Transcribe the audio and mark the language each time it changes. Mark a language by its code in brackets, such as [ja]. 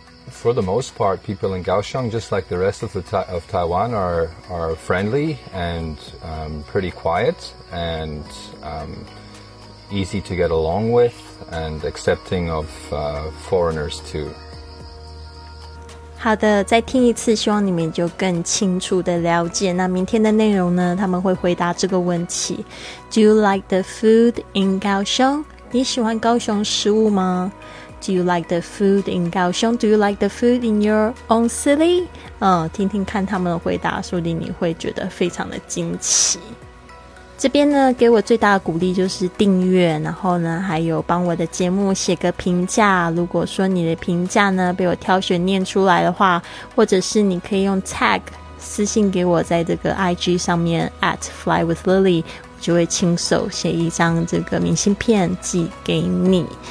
[en] For the most part, people in Kaohsiung, just like the rest of Taiwan, are friendly and pretty quiet and easy to get along with and accepting of foreigners too. [zh] 好的，再听一次，希望你们就更清楚的了解。那明天的内容呢，他们会回答这个问题。 [en] Do you like the food in 高雄？ [zh] 你喜欢高雄食物吗？ [en] Do you like the food in 高雄？ Do you like the food in your own city？ [zh] 听听看他们的回答，说不定你会觉得非常的惊奇。这边呢给我最大的鼓励就是订阅，然后呢还有帮我的节目写个评价，如果说你的评价呢被我挑选念出来的话，或者是你可以用 tag 私信给我在这个 IG 上面 at flywithlily， 我就会亲手写一张这个明信片寄给你。